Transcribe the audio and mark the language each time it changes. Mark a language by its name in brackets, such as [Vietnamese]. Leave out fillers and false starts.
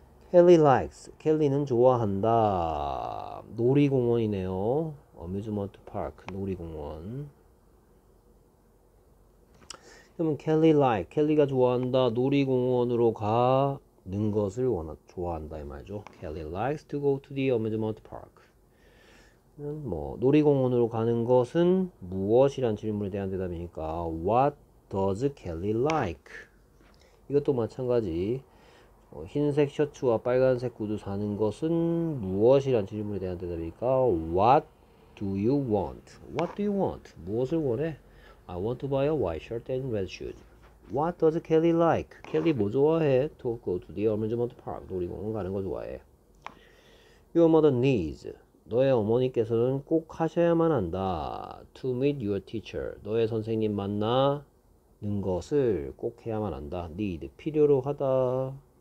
[English] Kelly likes. [Korean] Kelly는 좋아한다. 놀이공원이네요. Amusement park. 놀이공원. 그러면 [English] Kelly like. [Korean] Kelly가 좋아한다. 놀이공원으로 가는 것을 좋아한다 이 말이죠. [English] Kelly likes to go to the amusement park. [Korean] 뭐 놀이공원으로 가는 것은 무엇이란 질문에 대한 대답이니까 [English] What does Kelly like? [Korean] 이것도 마찬가지 흰색 셔츠와 빨간색 구두 사는 것은 무엇이란 질문에 대한 대답이니까 [English] What do you want? [Korean] What do you want? 무엇을 원해? [English] I want to buy a white shirt and red shoes. What does Kelly like? [Korean] Kelly 뭐 좋아해? [English] To go to the amusement park. [Korean] 놀이공원 가는 거 좋아해. [English] Your mother needs. [Korean] 너의 어머니께서는 꼭 하셔야만 한다. [English] To meet your teacher. [Korean] 너의 선생님 만나는 것을 꼭 해야만 한다. Need. 필요로 하다.